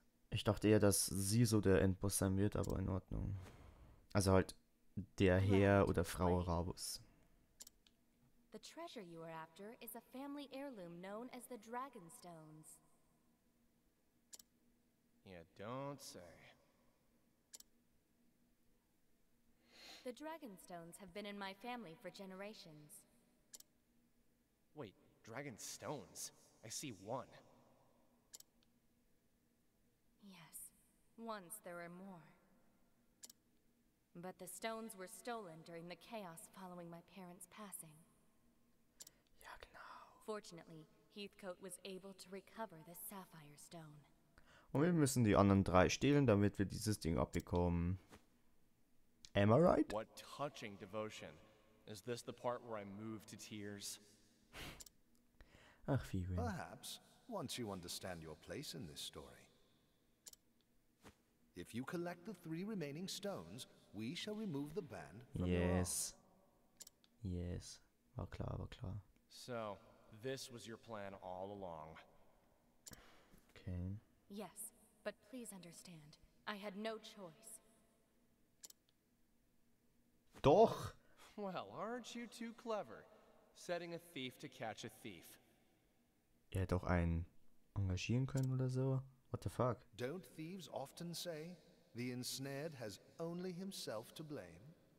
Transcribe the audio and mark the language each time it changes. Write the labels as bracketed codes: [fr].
[de] Ich dachte eher, dass sie so der Endboss sein wird, aber in Ordnung. Also halt... Der Herr oder Frau Rabus. [en] The treasure you are after is a family heirloom known as the Dragonstones. You don't say. The Dragonstones have been in my family for generations. Wait, Dragonstones? I see one. Yes, once there were more. But the stones were stolen during the chaos following my parents' passing. [de] Ja, genau. [en] Fortunately, Heathcote was able to recover the sapphire stone. [de] Und wir müssen die anderen drei stehlen, damit wir dieses Ding abbekommen. [en] Am I right? What touching devotion. Is this the part where I move to tears? [de] Ach, Firin. [en] Perhaps, once you understand your place in this story. If you collect the three remaining stones, we shall remove the band from yes. Yes. [de] War klar, war klar. [en] So, this was your plan all along. Okay. Yes, but please understand. I had no choice. [de] Doch! [en] Well, aren't you too clever? Setting a thief to catch a thief. [de] Er hätte auch einen engagieren können oder so. [en] What the fuck? Don't thieves often say... The ensnared has only himself to blame.